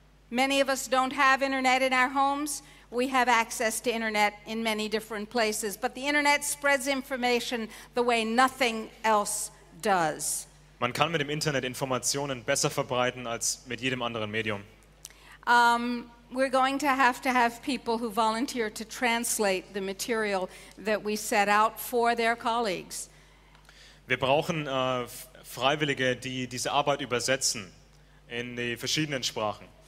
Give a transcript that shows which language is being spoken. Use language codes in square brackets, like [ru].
[en] Many of us don't have internet in our homes. We have access to internet in many different places, but the internet spreads information the way nothing else does. [de] Man kann mit dem Internet Informationen besser verbreiten als mit jedem anderen Medium. [en] We're going to have people who volunteer to translate the material that we set out for their colleagues. [de] Wir brauchen Freiwillige, die diese Arbeit übersetzen in die verschiedenen Sprachen.